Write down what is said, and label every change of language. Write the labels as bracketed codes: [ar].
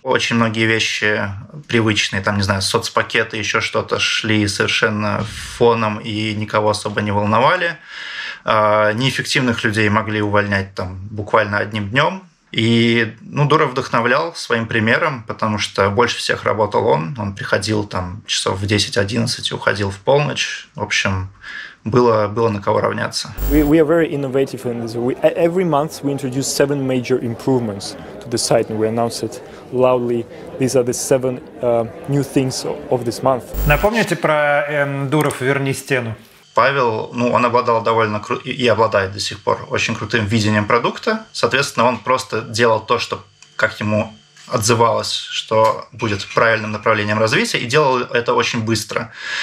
[ru] Очень многие вещи привычные, там, не знаю, соцпакеты, еще что-то, шли совершенно фоном и никого особо не волновали. Неэффективных людей могли увольнять там буквально одним днем, И, ну, Дура вдохновлял своим примером, потому что больше всех работал он. Он приходил там часов в 10-11 и уходил в полночь. В общем, было на кого равняться. [en] We are very innovative in this. Every month we introduce 7 major improvements to the site, and we announce it loudly. These are the 7 new things of this month. [ru] Напомните про Дуров «Верни стену». Павел, ну, он обладал довольно и обладает до сих пор очень крутым видением продукта. Соответственно, он просто делал то, что, как ему отзывалось, что будет правильным направлением развития, и делал это очень быстро.